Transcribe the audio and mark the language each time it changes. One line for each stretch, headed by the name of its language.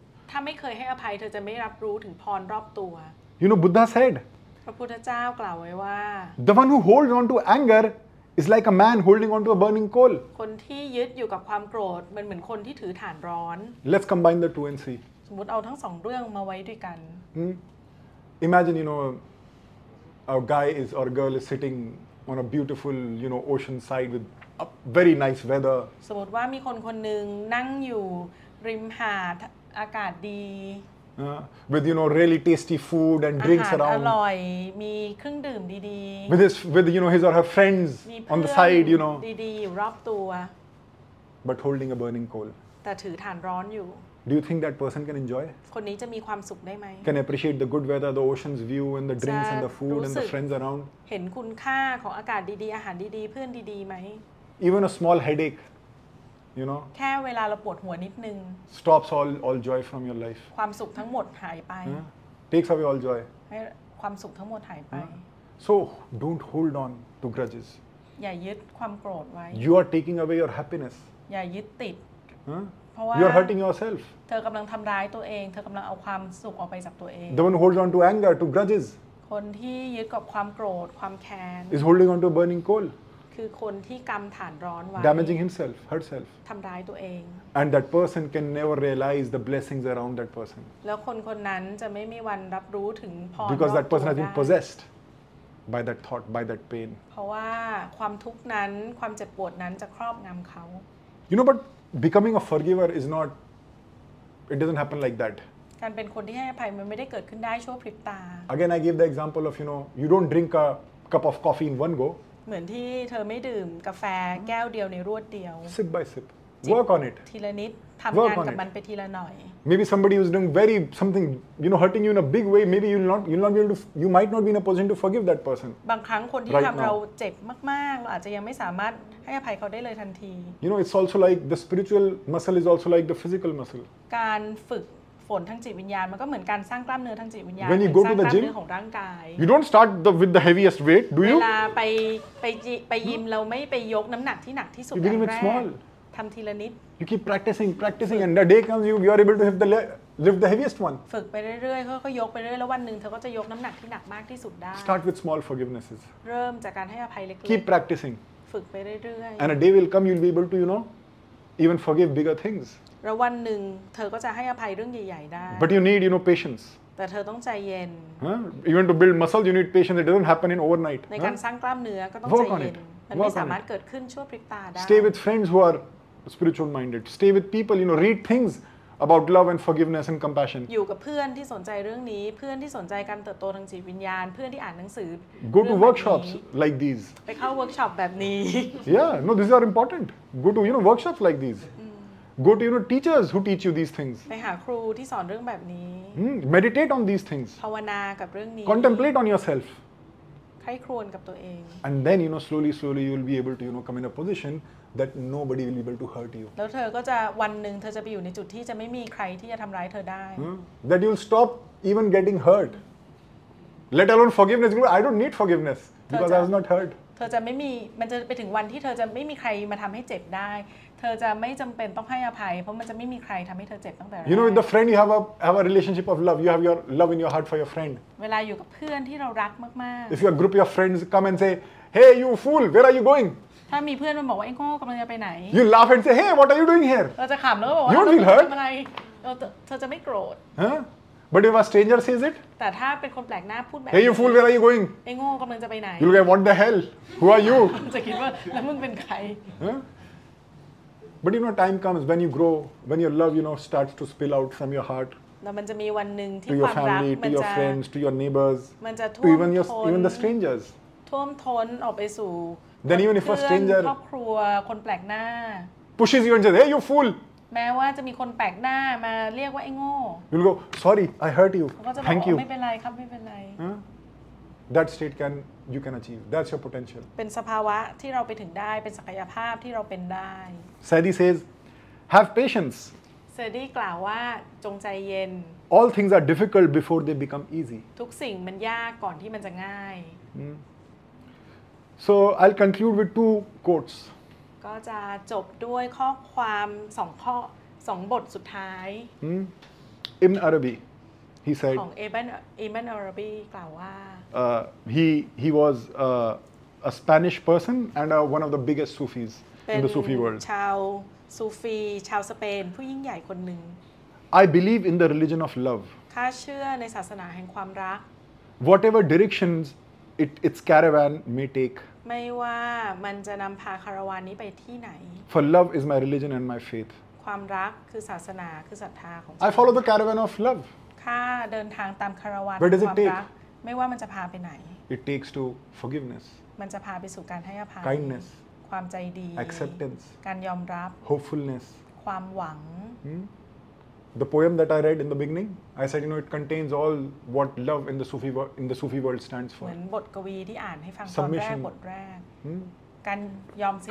Thai: ถ้าไม่เคยให้อภัยเธอจะไม่รับรู้ถึงพรรอบตัว
English: You know Buddha said
Thai: พระพุทธเจ้ากล่าวไว้ว่า
English: The one who holds on to anger is like a man holding on to a burning coal
Thai: คนที่ยึดอยู่กับความโกรธมันเหมือนคนที่ถือถ่านร้อน
English: Let's combine the two and see
Thai: สมมติเอาทั้งสองเรื่องมาไว้ด้วยกัน
English: Imagine you know a guy is or a girl is sittingon a beautiful you know ocean side with a very nice weather
Thai: สมมุติว่ามีคนคนนึงนั่งอยู่ริมหาดอากาศดี
English: with you know really tasty food and drinks around
Thai: อร่อยมีเครื่องดื่มดี
English: ๆ with you know his or her friends on the side you know
Thai: ดีๆอยู่รอบตัว
English: but holding a burning coal
Thai: แต่ถือถ่านร้อนอยู่
English: Do you think that person can enjoy?
Thai: คนนี้จะมีความสุขได้ไหม
English: Can appreciate the good weather, the ocean's view, and the drinks and the food and the friends around?
Thai: เห็นคุณค่าของอากาศดีๆอาหารดีๆเพื่อนดีๆไหม
English: Even a small headache, you know?
Thai: แค่เวลาเราปวดหัวนิดนึง
English: Stops all joy from your life.
Thai: ความสุขทั้งหมดหายไป
English: Takes away all joy.
Thai: ให้ความสุขทั้งหมดหายไป
English: So don't hold on to grudges.
Thai: อย่ายึดความโกรธไว้
English: You are taking away your happiness.
Thai: อย่ายึดติด
English: You're hurting yourself.
Thai: เธอกำลังทำร้ายตัวเองเธอกำลังเอาความสุขออกไปจากตัวเอง
English: The one holds on to anger, to grudges.
Thai: คนที่ยึดกับความโกรธความแค้น
English: Is holding on to a burning coal.
Thai: คือคนที่กำฐานร้อนไว้
English: Damaging himself, herself.
Thai: ทำร้ายตัวเอง
English: And that person can never realize the blessings around that person.
Thai: แล้วคนคนนั้นจะไม่มีวันรับรู้ถึงพร
English: Because that person has been possessed by that thought, by that pain.
Thai: เพราะว่าความทุกข์นั้นความเจ็บปวดนั้นจะครอบงำเขา
English: You know, butBecoming a forgiver is not, it doesn't happen like that.
Thai: การเป็นคนที่ให้อภัยมันไม่ได้เกิดขึ้นได้ชั่วพริบตา
English: Again, I give the example of, you know, you don't drink a cup of coffee in one go.
Thai: เหมือนที่เธอไม่ดื่มกาแฟแก้วเดียวในรวดเดียว
English: Sip by sip. work on it
Thai: ทีละนิดทำงานกับมันไปทีละหน่อย
English: maybe somebody was doing very something you know hurting you in a big way maybe you'll not be able to you might not be in a position to forgive that person
Thai: บางครั้งคนที่ทำเราเจ็บมากๆเราอาจจะยังไม่สามารถให้อภัยเขาได้เลยทันที
English: you know it's also like the spiritual muscle is also like the physical muscle
Thai: การฝึกฝนทั้งจิตวิญญาณมันก็เหมือนการสร้างกล้ามเนื้อทั้งจิตวิญญาณ
English: when you go to the gym
Thai: ของร่างกาย
English: you don't start with the heaviest weight do you
Thai: เวลาไปยิมเราไม่ไปยกน้ำหนักที่หนักที่สุด แรก ทำทีละนิด
English: you keep practicing and the day comes you are able to lift the heaviest one
Thai: ฝึกไปเรื่อยๆก็ยกไปเรื่อยแล้ววันนึงเธอก็จะยกน้ำหนักที่หนักมากที่สุดได้
English: start with small forgivenesses
Thai: เริ่มจากการให้อภัยเล็กๆ
English: keep practicing
Thai: ฝึกไปเรื่อย
English: ๆ and a day will come you'll be able to you know even forgive bigger things
Thai: แล้ววันนึงเธอก็จะให้อภัยเรื่องใหญ่ๆได้
English: but you need you know patience
Thai: แต่เธอต้องใจเย็น
English: even to build muscle you need patience it doesn't happen in overnight
Thai: ในการสร้างกล้ามเนื้อก็ต้องใจเย็นมันไม่สามารถเกิดขึ้นชั่วพริบตาได้
English: stay with friends who areSpiritual minded. Stay with people, you know, read things about love and forgiveness and compassion.
Thai: อยู่กับเพื่อนที่สนใจเรื่องนี้เพื่อนที่สนใจการเติบโตทางจิตวิญญาณเพื่อนที่อ่านหนังสือ
English: Go to workshops like these.
Thai: ไปเข้า workshop แบบนี้
English: Yeah, no, these are important. Go to, you know, workshops like these. Go to, you know, teachers who teach you these things.
Thai: ไปหาครูที่สอนเรื่องแบบนี้
English: Meditate on these things.
Thai: ภาวนากับเรื่องนี้
English: Contemplate on yourself.
Thai: ใคร่ครวญกับตัวเอง
English: And then, you know, slowly you will be able to, you know, come in a positionThat nobody will be able to hurt you.
Thai: แล้วเธอก็จะวันหนึ่งเธอจะไปอยู่ในจุดที่จะไม่มีใครที่จะทำร้ายเธอได้
English: That you'll stop even getting hurt. Let alone forgiveness. I don't need forgiveness because I was not hurt.
Thai: เธอจะไม่มีมันจะไปถึงวันที่เธอจะไม่มีใครมาทำให้เจ็บได้เธอจะไม่จำเป็นต้องให้อภัยเพราะมันจะไม่มีใครทำให้เธอเจ็บตั้งแต่แรก
English: You know, with the friend you have a relationship of love. You have your love in your heart for your friend.
Thai: เวลาอยู่กับเพื่อนที่เรารักมาก
English: ๆ If your group of friends come and say, "Hey, you fool, where are you going?"
Thai: ถ้ามีเพื่อนมันบอกว่าไอ้โง่กำลังจะไปไหน
English: You laugh and say Hey what are you doing here
Thai: เราจะขำแล้วก็บอกว่า
English: You're being hurt
Thai: อะไรเธอจะไม่โกรธ
English: Huh But if a stranger says it
Thai: แต่ถ้าเป็นคนแปลกหน้าพูดแบบ
English: Hey you fool where are you going
Thai: ไอ้โง่กำลังจะไปไหน
English: You get what the hell Who are you
Thai: จะคิดว่าแล้วมึงเป็นใคร
English: Huh But you know time comes when you grow when your love you know starts to spill out from your heart
Thai: แล้วมันจะมีวันนึงที่ความรักมันจะ
English: to your neighbors
Thai: มันจะท่วมท้น
English: even the strangers
Thai: ท่วมท้นออกไปสู่
English: Then even if a stranger
Thai: ครอบครัวคนแปลกหน้า
English: pushes you and says hey you fool
Thai: แม้ว่าจะมีคนแปลกหน้ามาเรียกว่าไอ้โง่
English: you'll go sorry I hurt you thank you
Thai: ไม่เป็นไรครับไม่เป็นไร
English: that state can you can achieve that's your potential
Thai: เป็นสภาวะที่เราไปถึงได้เป็นศักยภาพที่เราเป็นได้
English: Sadi says have patience
Thai: Sadi กล่าวว่าจงใจเย็น
English: all things are difficult before they become easy
Thai: ทุกสิ่งมันยากก่อนที่มันจะง่าย
English: So I'll conclude with two quotes.
Thai: ก็จะจบด้วยข้อความ2ข้อ2บทสุดท้าย
English: In Arabic he said
Thai: ของอิบน์อิบน์อารบีกล่าวว่า
English: he was a Spanish person and one of the biggest Sufis in the Sufi world.
Thai: ชาวซูฟีชาวสเปนผู้ยิ่งใหญ่คนนึง
English: I believe in the religion of love.
Thai: ข้าเชื่อในศาสนาแห่งความรัก
English: Whatever directionsIt's caravan may take.
Thai: ไม่ว่ามันจะนำพาคาราวานนี้ไปที่ไหน
English: For love is my religion and my faith.
Thai: ความรักคือศาสนาคือศรัทธาของ
English: I follow the caravan of love.
Thai: ข้าเดินทางตามคาราวาน ของความรัก ไม่ว่ามันจะพาไปไหน
English: It takes to forgiveness.
Thai: มันจะพาไปสู่การให้อภัย
English: Kindness.
Thai: ความใจดี
English: Acceptance.
Thai: การยอมรับ
English: Hopefulness.
Thai: ความหวัง
English: The poem that I read in the beginning, I said, you know, it contains all what love in the Sufi world, stands for.
Thai: เหมือนบทกวีที่อ่านให้ฟังตอนแรกบทแรกการยอมสิ้น